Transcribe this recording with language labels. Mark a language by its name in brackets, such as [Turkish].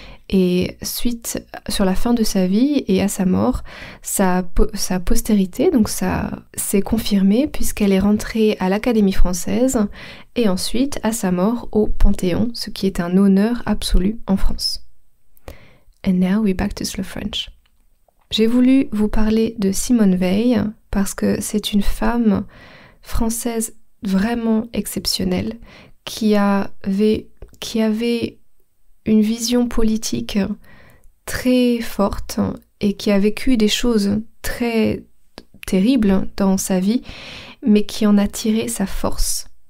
[French] Et suite sur la fin de sa vie et à sa mort, sa postérité donc ça s'est confirmée puisqu'elle est rentrée à l'Académie française et ensuite à sa mort au Panthéon, ce qui est un honneur absolu en France. [English] And now we back to slow French. [French] J'ai voulu vous parler de Simone Veil parce que c'est une femme française vraiment exceptionnelle qui avait une vision politique très forte et qui a vécu des choses très terribles dans sa vie, mais qui en a tiré sa force.